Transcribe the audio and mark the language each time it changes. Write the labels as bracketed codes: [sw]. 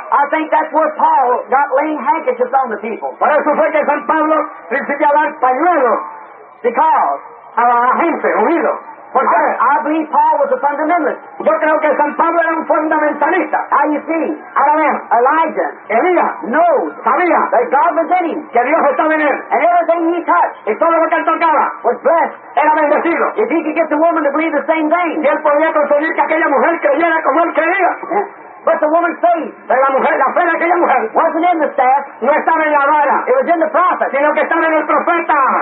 [en] I think that's where Paul got laying handkerchiefs on the people. [es] Por eso fue que San Pablo principió a dar pañuelos. [en] Because [es] a la gente, oído. [en] I believe Paul was a fundamentalist. [es] Yo creo que San Pablo era un fundamentalista. [en] Now you see, [es] ahora ve, [en] Elijah, [es] Elías, [en] knows, [es] sabía, [en] that God was in him, [es] que Dios estaba en él, [en] and everything he touched, [es] y todo lo que él tocaba, [en] was blessed, [es] era bendecido. [en] If he could get the woman to believe the same thing, [es] y él podía conseguir que aquella mujer creyera como él creía. [en] Yeah. But the woman's faith, [es] pero la mujer, la fe de aquella mujer, [en] wasn't in the staff, [es] no estaba en la vara, [en] it was in the prophet, [es] sino que estaba en el profeta.